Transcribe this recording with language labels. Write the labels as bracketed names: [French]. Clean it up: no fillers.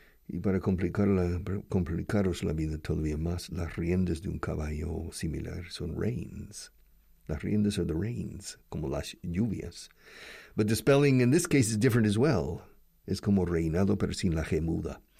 [Spanish] Y para complicaros la vida todavía más, las riendas de un caballo similar son reins. Las riendas [English] are the reins, [Spanish] como las lluvias. [English] But the spelling in this case is different as well. [Spanish] Es como reinado, pero sin la G muda.